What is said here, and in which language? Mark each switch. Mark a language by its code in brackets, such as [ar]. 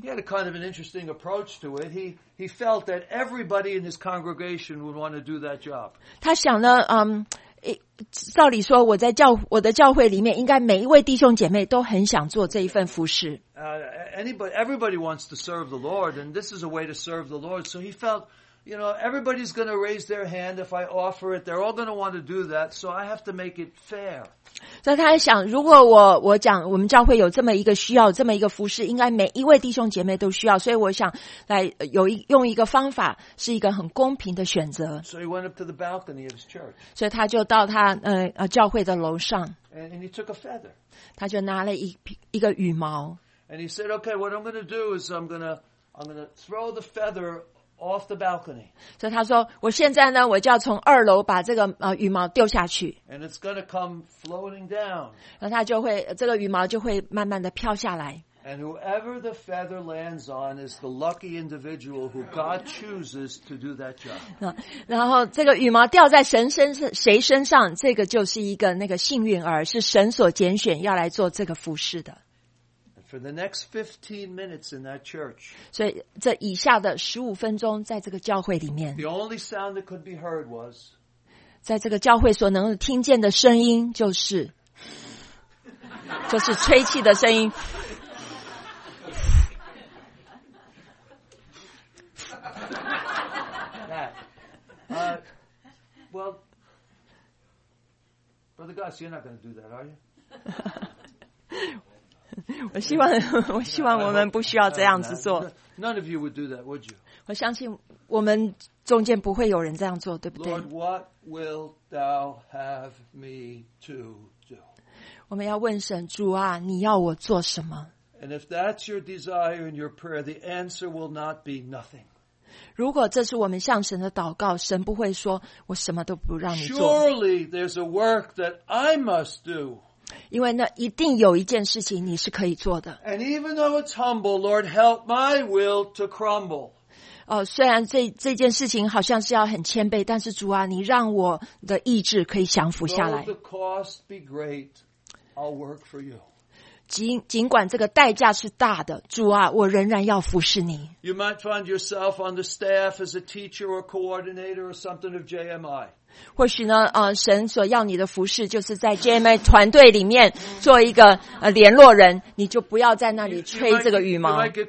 [en] He had a kind of an interesting approach to it. He felt that everybody in his congregation would want to do that job. [zh] 他想呢，照理说我的教会里面应该每一位弟兄姐妹都很想做这一份服事。 [en] Everybody wants to serve the Lord, and this is a way to serve the Lord. So he felt, you know, everybody's going to raise their hand if I offer it. They're all going to want to do that, so I have to make it fair. [zh] 所以他想，如果我讲我们教会有这么一个需要，这么一个服事，应该每一位弟兄姐妹都需要，所以我想来用一个方法，是一个很公平的选择。 [en] So he went up to the balcony of his church. [zh] 所以他就到他教会的楼上。 [en] And he took a feather. [zh] 他就拿了一个羽毛。 [en] And he said, "Okay, what I'm going to do is I'm going to throw the feather off the balcony." [zh] 所以他说，我现在呢，我就要从二楼把这个羽毛丢下去。 [en] And it's going to come floating down. [zh] 然后他就会这个羽毛就会慢慢的飘下来。 [en] And whoever the feather lands on is the lucky individual who God chooses to do that job. [zh] 然后这个羽毛掉在谁身上，这个就是一个那个幸运儿，是神所拣选要来做这个服事的。 [en] For the next 15 minutes in that church. [zh] 所以这以下的15分钟在这个教会里面。 [en] The only sound that could be heard was. [zh] 在这个教会所能听见的声音就是吹气的声音。 [en] Well, Brother Gus, you're not going to do that, are you? [zh] 我希望我们不需要这样子做。 [en] None of you would do that, would you? [zh] 我相信我们中间不会有人这样做，对不对 [en] ？Lord, what will thou have me to do? [zh] 我们要问神，主啊，你要我做什么 [en] ？And if that's your desire and your prayer, the answer will not be nothing. [zh] 如果这是我们向神的祷告，神不会说我什么都不让你做。 [en] Surely there's a work that I must do. [zh] 因为那一定有一件事情你是可以做的。 [en] And even though it's humble, Lord, help my will to crumble. [zh] 虽然这件事情好像是要很谦卑，但是主啊，你让我的意志可以降服下来。 [en] Though the cost be great, I'll work for you. [zh] 尽管这个代价是大的，主啊，我仍然要服侍你。 [en] You might find yourself on the staff as a teacher or coordinator or something of JMI. [zh] 或许呢神所要你的服事就是在 JMA 团队里面做一个联络人，你就不要在那里吹这个羽毛。